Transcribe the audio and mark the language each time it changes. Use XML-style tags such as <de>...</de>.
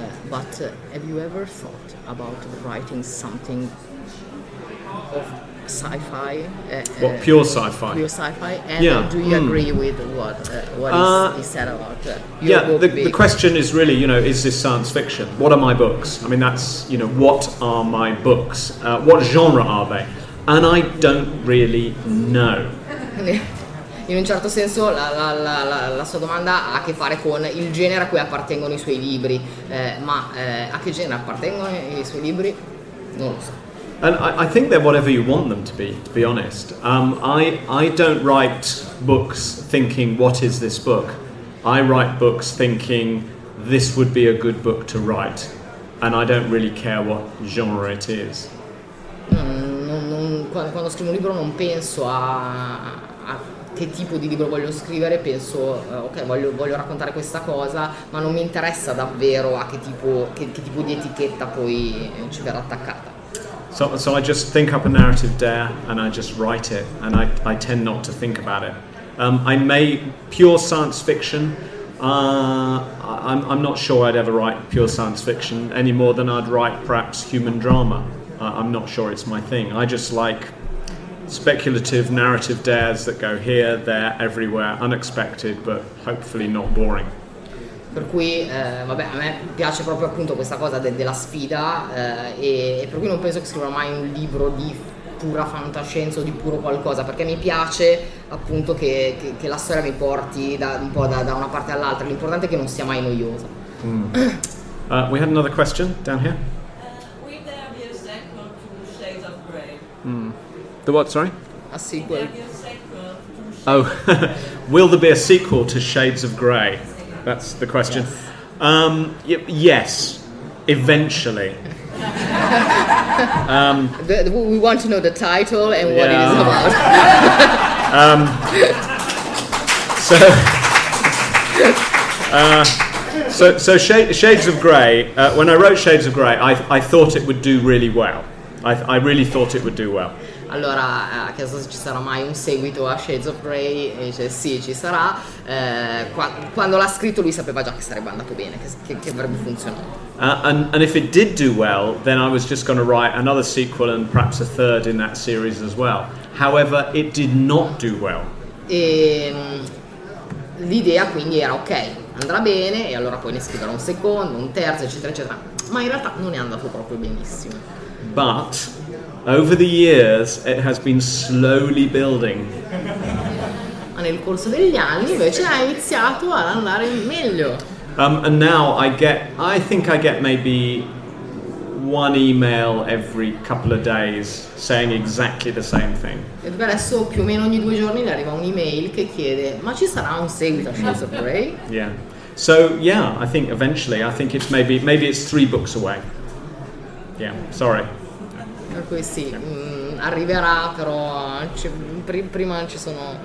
<en>But have you ever thought about writing something of sci-fi? Pure sci-fi? Pure sci-fi. And do you agree with what is said about your book? The question is really, you know, is this science fiction? What are my books? I mean, that's, you know, what are my books? What genre are they? And I don't really know.</en> <it>In un certo senso la sua domanda ha a che fare con il genere a cui appartengono I suoi libri, ma a che genere appartengono I suoi libri non lo so.</it> <en>And I think they're whatever you want them to be honest. I don't write books thinking what is this book. I write books thinking this would be a good book to write, and I don't really care what genre it is.</en> <it>Quando scrivo un libro non penso a che tipo di libro voglio scrivere, penso ok, voglio raccontare questa cosa, ma non mi interessa davvero a che tipo di etichetta poi ci verrà attaccata.</it> <en>So I just think up a narrative there and I just write it and I tend not to think about it. I may pure science fiction. I'm not sure I'd ever write pure science fiction any more than I'd write perhaps human drama. I'm not sure it's my thing. I just like speculative narrative dares that go here, there, everywhere, unexpected, but hopefully not boring.</en> <it>Per cui, vabbè, a me piace proprio appunto questa cosa della sfida, e per cui non penso che scriverò mai un libro di pura fantascienza o di puro qualcosa, perché mi piace appunto che la storia mi porti da un po' da una parte all'altra. L'importante è che non sia mai noiosa.</it> <en>We had another question down here. Will there be a sequel to Shades of Grey? The what, sorry? A sequel. Oh, will there be a sequel to Shades of Grey? That's the question. Yes. Yes, eventually. We want to know the title and what it is about. Shades of Grey, when I wrote Shades of Grey, I thought it would do really well. I really thought it would do well.</en> <it>Allora, chiedo se ci sarà mai un seguito a Shades of Grey, e dice sì, ci sarà. Quando l'ha scritto, lui sapeva già che sarebbe andato bene, che avrebbe funzionato.</it> <en>And if it did do well, then I was just going to write another sequel and perhaps a third in that series as well. However, it did not do well.</en> <it>E l'idea quindi era ok, andrà bene, e allora poi ne scriverò un secondo, un terzo, eccetera, eccetera. Ma in realtà non è andato proprio benissimo.</it> <en>But over the years, it has been slowly building.</en> <it>Ma nel corso degli anni invece ha iniziato ad andare meglio.</it> <en>And now I think I get maybe one email every couple of days saying exactly the same thing.</en> <it>E adesso più o meno ogni due giorni le arriva un'email che chiede: ma ci sarà un seguito a Shades of Grey?</it> <en>Yeah. So yeah, I think eventually. I think it's maybe it's three books away. Yeah. Sorry.</en> <it>Per cui sì, arriverà, però prima ci sono</it>